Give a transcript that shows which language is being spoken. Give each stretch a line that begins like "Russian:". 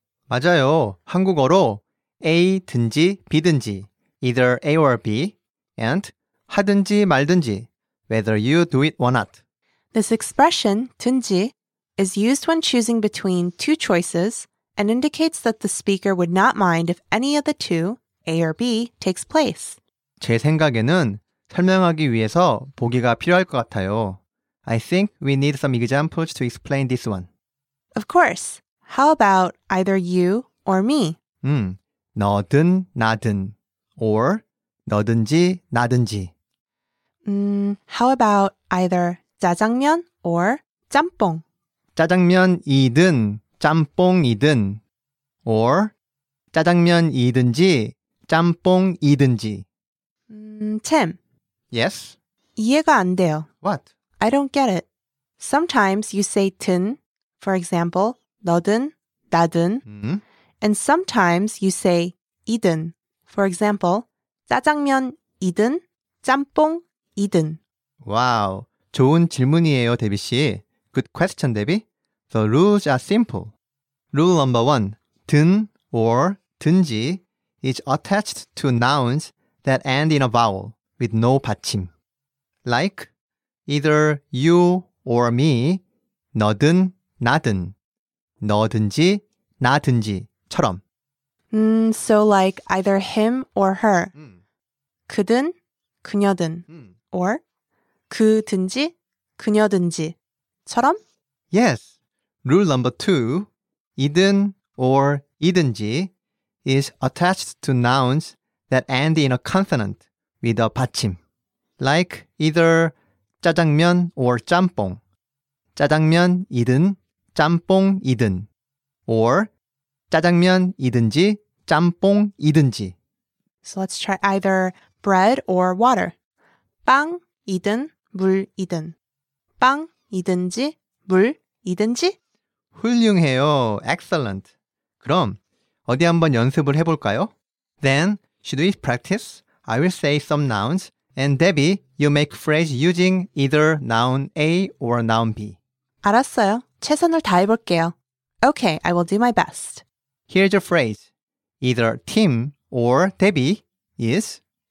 Korean: 맞아요. 한국어로 A든지 B든지,
English: either A or B, and
Korean: 하든지 말든지,
English: whether you do it or not. This expression, 든지, is used when choosing between two choices and indicates that the speaker would not mind if any of the two, A or B, takes place.
Korean: 제 생각에는 설명하기 위해서 보기가 필요할 것 같아요.
English: I think we need some examples to explain this one. Of course. How about either you or me?
Korean: 너든 나든 or 너든지 나든지.
English: How about either 짜장면 or 짬뽕?
Korean: 짜장면이든 짬뽕이든 or 짜장면이든지 짬뽕이든지.
English: Tim. Yes?
Korean: 이해가 안 돼요.
English: What? I don't get it. Sometimes you say 든, for example, 너든 나든. And sometimes you say 이든. For example, 짜장면 이든, 짬뽕 이든.
Korean: 와우, 좋은 질문이에요, 데비 씨.
English: Good question, 데비. The rules are simple. Rule number one, 든 or 든지 is attached to nouns that end in a vowel with no 받침. Like, either you or me,
Korean: 너든 나든, 너든지 나든지처럼.
English: So like either him or her,
Korean: 그든 그녀든,
English: or
Korean: 그든지 그녀든지, 처럼?
English: Yes. Rule number two, 이든 or 이든지 is attached to nouns that end in a consonant with a 받침. Like either 짜장면 or 짬뽕.
Korean: 짜장면 이든 짬뽕 이든 or 짜장면 이든지 짬뽕 이든지.
English: So let's try either bread or water.
Korean: 빵 이든 물 이든. 빵 이든지 물 이든지. 훌륭해요.
English: Excellent.
Korean: 그럼 어디 한번 연습을 해볼까요?
English: Then, should we practice? I will say some nouns, and Debbie, you make phrase using either noun A or noun B.
Korean: 알았어요. 최선을 다해볼게요.
English: Okay, I will do my best. Here's your phrase. Either Tim or Debbie is?